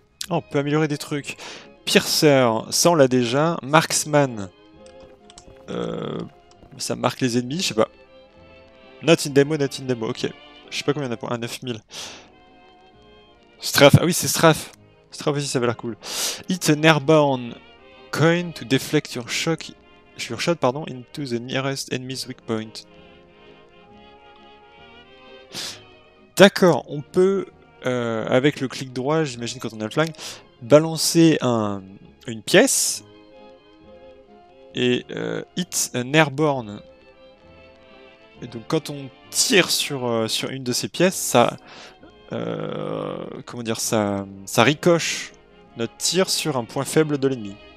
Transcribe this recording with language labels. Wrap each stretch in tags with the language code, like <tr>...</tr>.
<fr>Oh, on peut améliorer des trucs. Piercer, ça on l'a déjà. Marksman. Ça marque les ennemis, je sais pas.</fr> <en>Not in demo, ok.</en> <fr>Je sais pas combien il y en a pour un 9000. Strafe, ah oui c'est Strafe. Strafe aussi ça avait l'air cool.</fr> <en>Hit an airborne coin to deflect your shock. Your shot, pardon, into the nearest enemy's weak point.</en> <fr>D'accord, on peut, avec le clic droit, j'imagine quand on a le flingue, balancer une pièce. Et</fr> <en>hit an airborne.</en> <fr>Et donc quand on tire sur une de ces pièces, ça comment dire, ça ricoche notre tir sur un point faible de l'ennemi.</fr>